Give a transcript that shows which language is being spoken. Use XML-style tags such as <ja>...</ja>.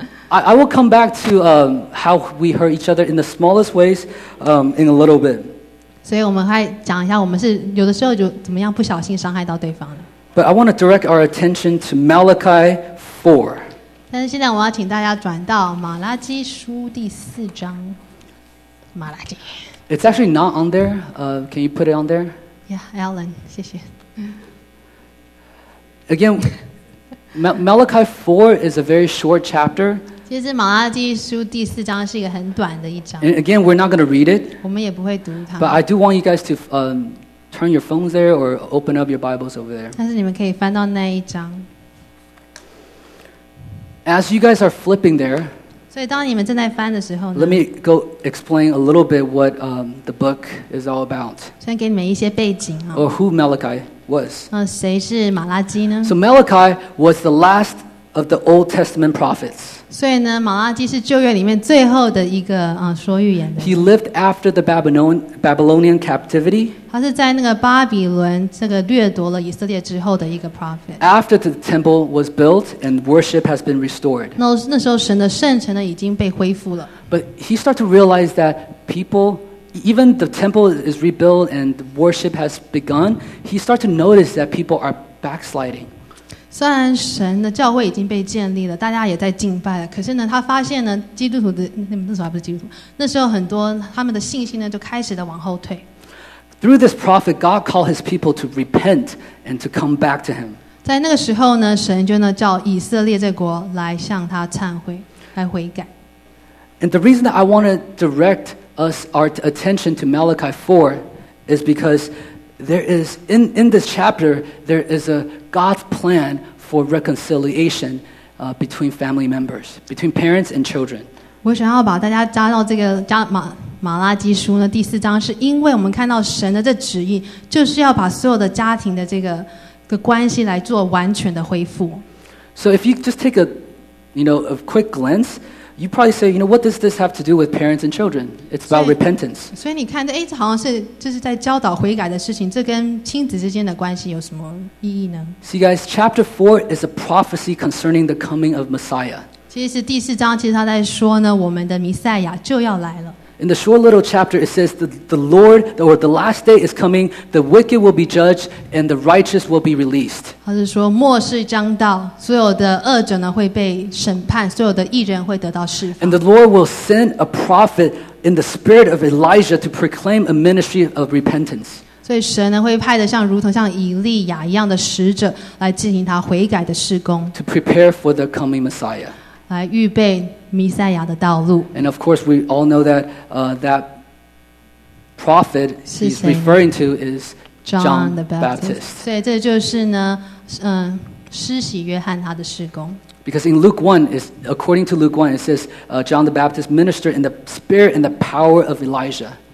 <en>I will come back to how we hurt each other in the smallest ways in a little bit.</en> <zh>所以我们还讲一下，我们是有的时候就怎么样不小心伤害到对方了。</zh> <en>But I want to direct our attention to Malachi 4.</en> <zh>但是现在我要请大家转到马拉基书第四章。马拉基。</zh> <en>It's actually not on there. Can you put it on there? Yeah, Alan,</en> <zh>谢谢。</zh> <en>Again, Malachi 4 is a very short chapter.</en> <zh>其实马拉基书第四章是一个很短的一章。</zh> <en>And again, we're not going to read it.</en> <zh>我们也不会读它。</zh> <en>But I do want you guys to turn your phones there or open up your Bibles over there.</en> <zh>但是你们可以翻到那一章。</zh> <en>As you guys are flipping there,</en> <zh>所以当你们正在翻的时候呢</zh> <en>，Let me go explain a little bit what the book is all about.</en> <zh>先给你们一些背景啊。</zh> <en>Or who Malachi was?</en> <zh>那谁是马拉基呢</zh> <en>？So Malachi was the last. Of the Old Testament prophets.</en> <zh>所以呢，马拉基是旧约里面最后的一个说预言的。</zh> <en>He lived after the Babylonian captivity.</en> <zh>他是在那个巴比伦这个掠夺了以色列之后的一个 prophet.</zh> <en>After the temple was built and worship has been restored.</en> <zh>那时候神的圣城呢已经被恢复了。</zh> <en>But he started to realize that people, even the temple is rebuilt and worship has begun, he started to notice that people are backsliding.</en> <zh>虽然神的教会已经被建立了，大家也在敬拜了，可是呢，他发现呢，基督徒的那时候还不是基督徒，那时候很多他们的信心呢就开始的往后退。</zh> <en>Through this prophet, God called his people to repent and to come back to him.</en> <zh>在那个时候呢，神就呢叫以色列这国来向他忏悔，来悔改。</zh> <en>And the reason that I want to direct us our attention to Malachi 4 is because. There is in this chapter there is a God's plan for reconciliation between family members between parents and children.</en> <zh>我想要把大家加到这个马拉基书呢第四章，是因为我们看到神的这旨意，就是要把所有的家庭的这个关系来做完全的恢复。</zh> <en>So if you just take a quick glance. You probably say, you know, what does this have to do with parents and children? It's about repentance.</en> <zh>所以你看，哎，这好像是就是在教导悔改的事情。这跟亲子之间的关系有什么意义呢</zh> <en>？See, guys, chapter 4 is a prophecy concerning the coming of Messiah.</en> <zh>其实第四章其实他在说呢，我们的弥赛亚就要来了。</zh> <en>In the short little chapter, it says that the Lord or the last day is coming. The wicked will be judged, and the righteous will be released.</en> <zh>他是说末世将到，所有的恶者呢会被审判，所有的义人会得到释放。</zh> <en>And the Lord will send a prophet in the spirit of Elijah to proclaim a ministry of repentance.</en> <zh>所以神呢会派的如同以利亚一样的使者来进行他悔改的事工。</zh> <en>To prepare for the coming Messiah.</en> <zh>来预备弥赛亚的道路。</zh> <en>And of course, we all know that that prophet he's referring to is.</en> <zh>John the Baptist. 所以这就是呢，施洗约翰他的事工。</zh> <en>Because in Luke 1, according to Luke 1, it says John the Baptist ministered in the spirit and the power of Elijah.</en>